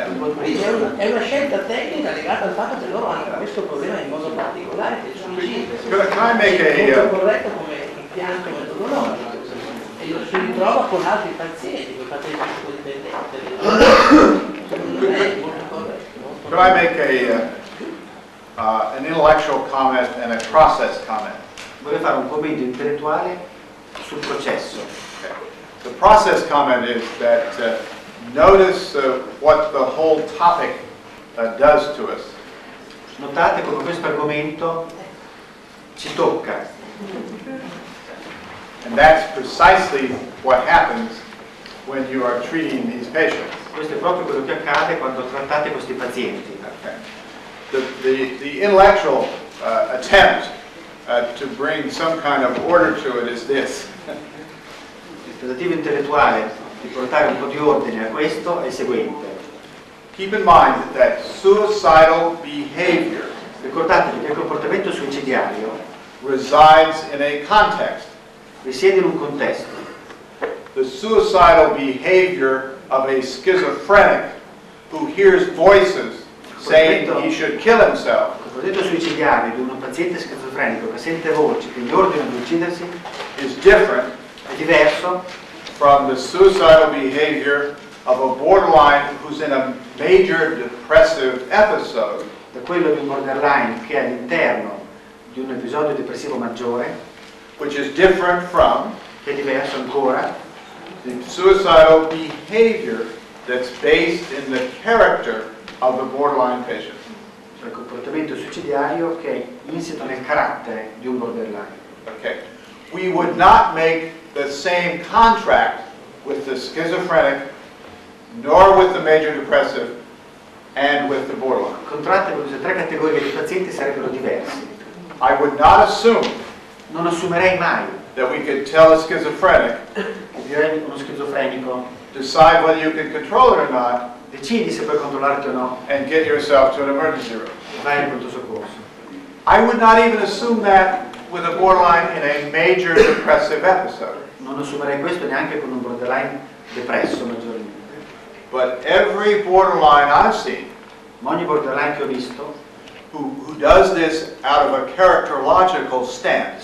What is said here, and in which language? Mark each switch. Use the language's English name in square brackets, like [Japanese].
[Italian] Quindi è una scelta tecnica legata al fatto che loro hanno questo problema in modo particolare, che è il suicidio. È corretto come impianto metodologico, e lo si ritrova con altri pazienti, con pazienti psicodipendenti. È molto corretto. [English] Could I make an intellectual comment and a process comment. [Italian] Vorrei fare un commento intellettuale sul processo. [English] The process comment is that notice what the whole topic does to us. [Italian] Notate come questo argomento ci tocca. [English] And that's precisely what happens when you are treating these patients. [Italian] Questo è proprio quello che accade quando trattate questi pazienti. [English] The intellectual attempt to bring some kind of order to it is this. [Italian] Il tentativo intellettuale di portare un po' di ordine a questo è il seguente. [English] Keep in mind that suicidal behavior, [Italian] ricordatevi che il comportamento suicidiario, [English] resides in a context. [Italian] Risiede in un contesto. [English] The suicidal behavior of a schizophrenic who hears voices saying he should kill himself. [Italian] Il comportamento suicidiario di un paziente schizofrenico che sente voci che gli ordinano di uccidersi [English] is different, [Italian] è diverso, [English] from the suicidal behavior of a borderline who's in a major depressive episode, [Italian] da quello di un borderline che è all'interno di un episodio depressivo maggiore, [English] which is different from, [Italian] che è diverso ancora, [English] the suicidal behavior that's based in the character of the borderline patient. [Italian] Cioè il comportamento suicidario che è insito nel carattere di un borderline. [English] Okay. We would not make the same contract with the schizophrenic, nor with the major depressive, and with the borderline. [Italian] Contratti con queste tre categorie di pazienti sarebbero diversi. [English] I would not assume. [Italian] Non assumerei mai. [English] That we could tell a schizophrenic. [Italian] Direi uno schizofrenico. [English] Decide whether you can control it or not. [Italian] Decidi se puoi controllarti o no. [English] And get yourself to an emergency room. [Italian] Vai in pronto soccorso. [English] I would not even assume that with a borderline in a major depressive episode. [Italian] Non assumerei questo neanche con un borderline depresso maggiormente. [English] But every borderline I've seen, [Italian] ma ogni borderline che ho visto, [English] who does this out of a characterological stance,